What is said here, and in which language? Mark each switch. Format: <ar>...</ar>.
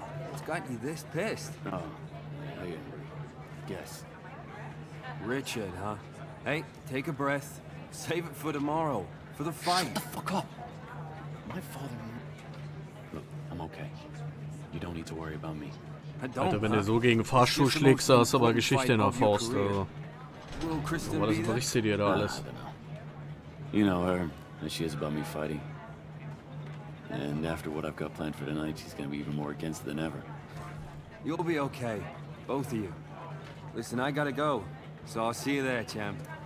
<en>What's gotten you this pissed? I guess. Richard, huh? Hey, take a breath. Save it for tomorrow. For the fight. Shut the fuck up! My father... Look, I'm okay. You don't need to worry about me. I don't,</en> <de>Alter, wenn du so gegen Fahrstuhl schlägst, hast du aber Geschichte in der Faust, oder? Was ist das für dir da alles?</de> <en>You know her, and she is about me fighting. And after what I've got planned for tonight, she's gonna be even more against it than ever. You'll be okay, both of you. Listen, I gotta go, so I'll see you there, champ.</en>